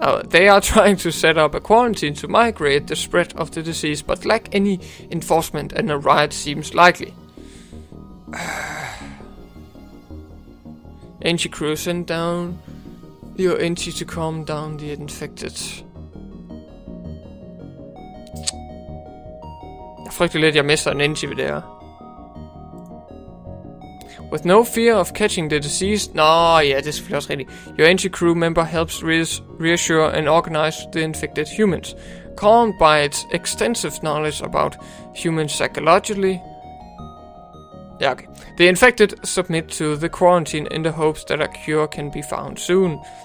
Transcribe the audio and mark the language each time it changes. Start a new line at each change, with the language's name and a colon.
English: They are trying to set up a quarantine to migrate the spread of the disease, but lack any enforcement and a riot seems likely. Engie crew, send down your engie to calm down the infected.
Danish: Jeg frygter lidt, jeg mister en engie ved det her.
English: With no fear of catching the disease.
Danish: Nå, ja, det er selvfølgelig også rigtigt.
English: Your engie crew member helps reassure and organize the infected humans. Calmed by its extensive knowledge about humans psychologically.
Danish: Ja, okay.
English: The infected submit to the quarantine in the hopes that a cure can be found soon.